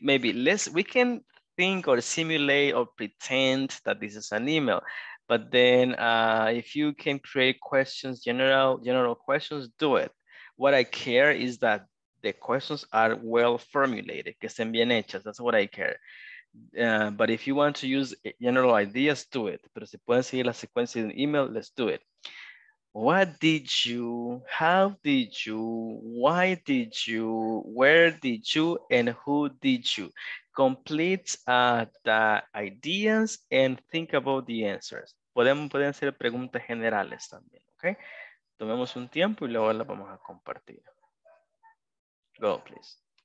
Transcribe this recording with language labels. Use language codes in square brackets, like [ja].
[en] Maybe we can think or simulate or pretend that this is an email. But then if you can create questions, general questions, do it. What I care is that the questions are well formulated, [es] que estén bien hechas, [en] that's what I care. But if you want to use general ideas, do it. [es] Pero si pueden seguir la secuencia de un email, [en] let's do it. What did you, how did you, why did you, where did you, and who did you? Complete the ideas and think about the answers. [es] Pueden ser preguntas generales también, okay? Tomemos un tiempo y luego la vamos a compartir. [en] Go, please.